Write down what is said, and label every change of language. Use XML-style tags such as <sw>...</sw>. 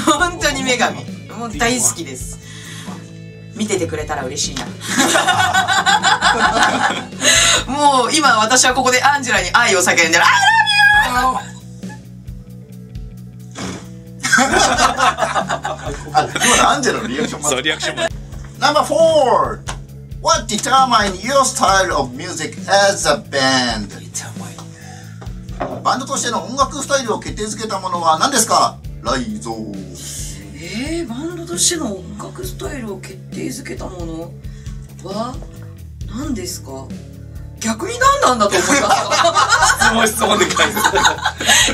<ja>本当に女神、もう大好きです。見ててくれたら嬉しいな。もう今私はここでアンジェラに愛を叫んでる。</ja> <en>I love you。</en> <ja>あ、今のアンジェラのリアクション、そうリアクション。</ja> <en>Number 4、What determine your style of music as a band?</en> <ja>バンドとしての音楽スタイルを決定づけたものは何ですか？ライゾー。バンドとしての音楽スタイルを決定づけたものは何ですか？逆に何なんだと思った。すごい質問で返す。</ja>